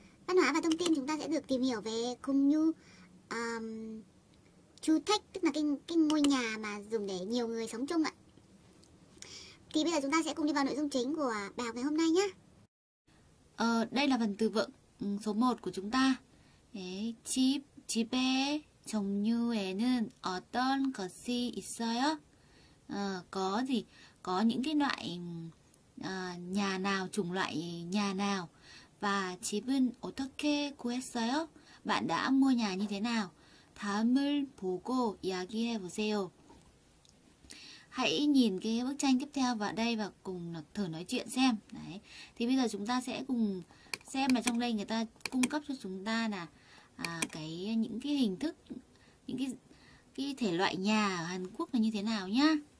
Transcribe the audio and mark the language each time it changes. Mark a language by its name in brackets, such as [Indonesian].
[Vietnamese] Văn hóa và thông tin chúng ta sẽ được tìm hiểu về cung nhu chu thách, tức là cái ngôi nhà mà dùng để nhiều người sống chung ạ. Thì bây giờ chúng ta sẽ cùng đi vào nội dung chính của bài học ngày hôm nay nhé. Đây là phần từ vựng số 1 của chúng ta. [Korean] Chip, chip에 종류에는 어떤 것이 있어요? [Vietnamese] Có gì? Có những cái loại nhà nào, chủng loại nhà nào? [Korean] Và 집은 어떻게 구했어요? [Vietnamese] Bạn đã mua nhà như thế nào? [Korean] 다음을 보고 이야기해 보세요. [Vietnamese] Hãy nhìn cái bức tranh tiếp theo vào đây và cùng thử nói chuyện xem. Đấy. Thì bây giờ chúng ta sẽ cùng xem là trong đây người ta cung cấp cho chúng ta là những cái hình thức, những cái thể loại nhà ở Hàn Quốc là như thế nào nhá.